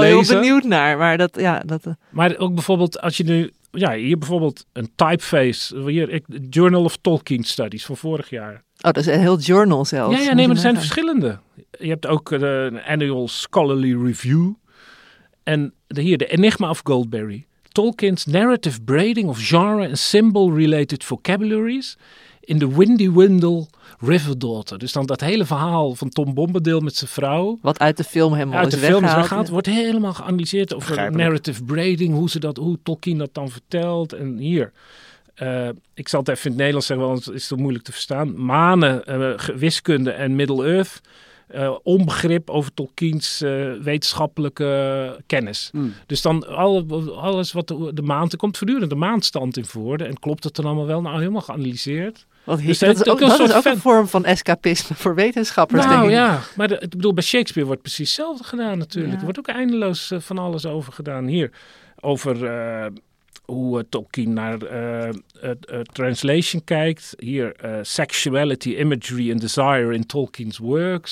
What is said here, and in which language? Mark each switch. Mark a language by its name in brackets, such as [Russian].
[Dutch] heel benieuwd naar, maar dat... Ja, dat maar ook bijvoorbeeld als je nu... Ja, hier bijvoorbeeld een typeface. Hier, Journal of Tolkien Studies van vorig jaar. Oh, dat is een heel journal zelfs. Ja, maar er zijn verschillende. Je hebt ook een [English] annual scholarly review. [Dutch] En hier, de Enigma of Goldberry. [English] Tolkien's narrative braiding of genre and symbol-related vocabularies in the Windy Windle River Daughter. [Dutch] Dus dan dat hele verhaal van Tom Bombadil met zijn vrouw. Wat uit de film helemaal uit is de film is weggehaald. Wordt helemaal geanalyseerd over narrative braiding. Hoe Tolkien dat dan vertelt. En hier. Ik zal het even in het Nederlands zeggen, want het is toch moeilijk te verstaan. Manen, wiskunde en Middle Earth. Onbegrip over Tolkien's wetenschappelijke kennis. Mm. Dus dan alles wat de maand... Er komt voortdurend de maandstand in voor. En klopt het dan allemaal wel? Nou, helemaal geanalyseerd. Dat is ook een vorm van escapisme voor wetenschappers. Nou denk ik. Ja, maar bij Shakespeare wordt precies hetzelfde gedaan natuurlijk. Ja. Er wordt ook eindeloos van alles over gedaan hier. Over hoe Tolkien naar translation kijkt. [English] Hier, sexuality, imagery and desire in Tolkien's works.